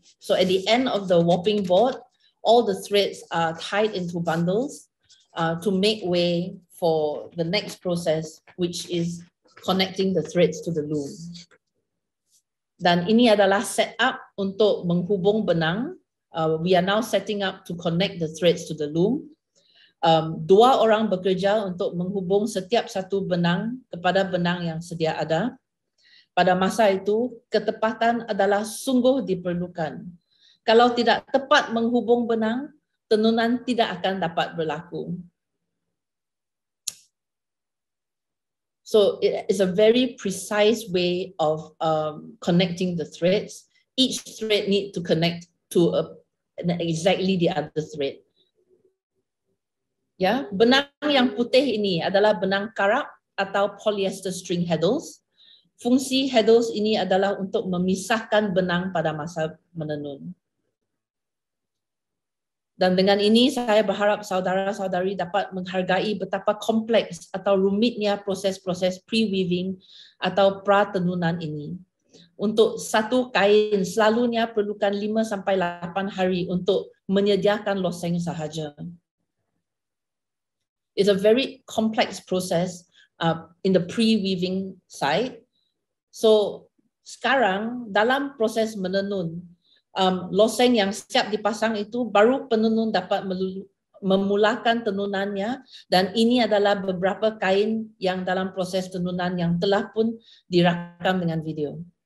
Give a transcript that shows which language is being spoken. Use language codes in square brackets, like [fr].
[en] So at the end of the warping board, all the threads are tied into bundles to make way for the next process, which is connecting the threads to the loom. [ms] Dan ini adalah set up untuk menghubung benang. [en] We are now setting up to connect the threads to the loom. [ms] Dua orang bekerja untuk menghubung setiap satu benang kepada benang yang sedia ada. Pada masa itu, ketepatan adalah sungguh diperlukan. Kalau tidak tepat menghubung benang, tenunan tidak akan dapat berlaku. [en] So it is a very precise way of connecting the threads. Each thread need to connect to exactly the other thread. [ms] Ya, benang yang putih ini adalah benang karap atau polyester string heddles. Fungsi heddles ini adalah untuk memisahkan benang pada masa menenun. Dan dengan ini saya berharap saudara-saudari dapat menghargai betapa kompleks atau rumitnya proses-proses pre-weaving atau pra-tenunan ini. Untuk satu kain selalunya perlukan 5-8 hari untuk menyediakan loseng sahaja. [en] It's a very complex process in the pre-weaving side. [ms] So sekarang dalam proses menenun, loseng yang siap dipasang itu baru penenun dapat memulakan tenunannya dan ini adalah beberapa kain yang dalam proses tenunan yang telah pun dirakam dengan video.